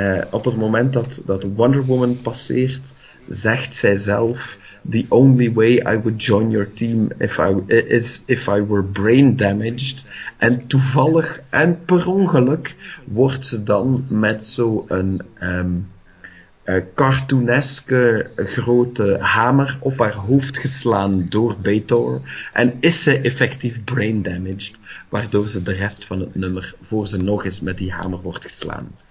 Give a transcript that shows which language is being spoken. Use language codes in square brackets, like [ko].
[nl] Op het moment dat Wonder Woman passeert, zegt zij zelf... [en] The only way I would join your team if I were brain damaged. [nl] En toevallig en per ongeluk wordt ze dan met zo'n... cartooneske grote hamer op haar hoofd geslaan door Beitor en is ze effectief [en] brain damaged, [nl] waardoor ze de rest van het nummer voor ze nog eens met die hamer wordt geslaan.